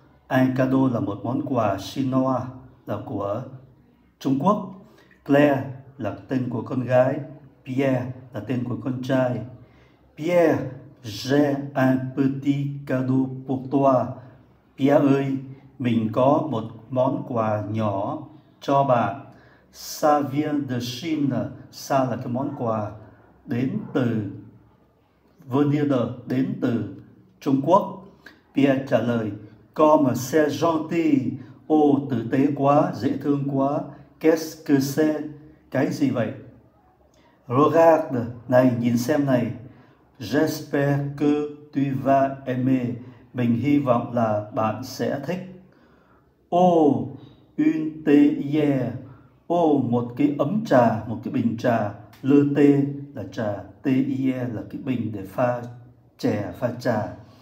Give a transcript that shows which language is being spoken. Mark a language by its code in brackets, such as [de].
[fr] Un cadeau [vi] là một món quà chinois, là của Trung Quốc. Claire là tên của con gái. Pierre là tên của con trai. [fr] Pierre, j'ai un petit cadeau pour toi. [vi] Pierre ơi, mình có một món quà nhỏ cho bạn. [fr] Ça vient de Chine. [vi] Ça là cái món quà đến từ venir de, đến từ Trung Quốc. [fr] Pierre [vi] trả lời, [fr] comme c'est gentil. [vi] Oh, tử tế quá, dễ thương quá. [fr] Qu'est-ce que c'est? [vi] Cái gì vậy? Regarde, này, nhìn xem này. [fr] J'espère que tu vas aimer. [vi] Mình hy vọng là bạn sẽ thích. [fr] Oh, une théière. [vi] Oh, một cái ấm trà, một cái bình trà. [fr] Le thé [vi] là trà. Théière là cái bình để pha chè, pha trà.